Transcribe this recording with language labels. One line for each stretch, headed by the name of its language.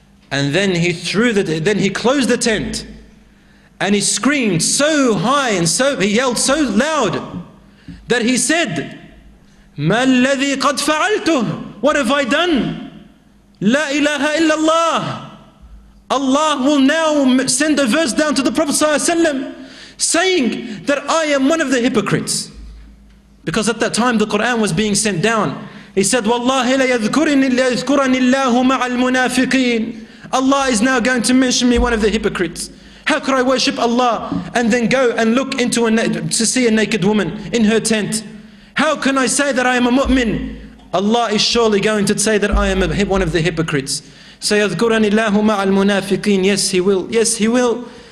English: And then he closed the tent and he screamed so high and so, he yelled so loud that he said,
Arabic: مَا الَّذِي قَدْ فَعَلْتُهُ?
English: What have I done? La ilaha illallah. Allah will now send a verse down to the Prophet sallallahu alaihi wasallam saying that I am one of the hypocrites. Because at that time the Quran was being sent down. He said,
Arabic: وَاللَّهِ لَيَذْكُرَنِ اللَّهُ مَعَ الْمُنَافِقِينَ.
English: Allah is now going to mention me one of the hypocrites. How could I worship Allah and then go and look into to see a naked woman in her tent? How can I say that I am a mu'min? Allah is surely going to say that I am one of the hypocrites.
Arabic: سَيَذْكُرَنِ اللَّهُ مَعَ الْمُنَافِقِينَ.
English: Yes, he will. Yes, he will.